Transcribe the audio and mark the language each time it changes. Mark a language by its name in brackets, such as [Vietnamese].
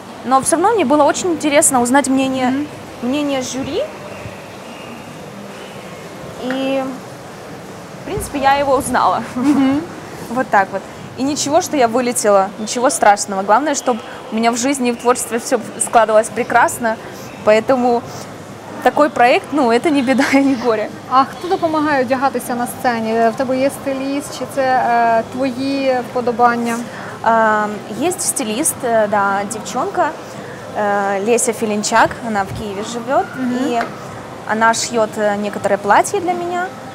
[Ukrainian] Але все одно мені було дуже цікаво узнати мнение жюрі. І, в принципі, я його узнала. [Russian] Вот так вот. И ничего, что я вылетела, ничего страшного. Главное, чтобы у меня в жизни и в творчестве все складывалось прекрасно. Поэтому такой проект, ну, это не беда и не горе. А кто [Ukrainian] допомагає одягатися на сцені? В тебе є стиліст, чи це твої вподобання? [Russian] Есть стилист, да, девчонка, Леся Филинчак, она в Киеве живет. Угу. И она шьет некоторые платья для меня.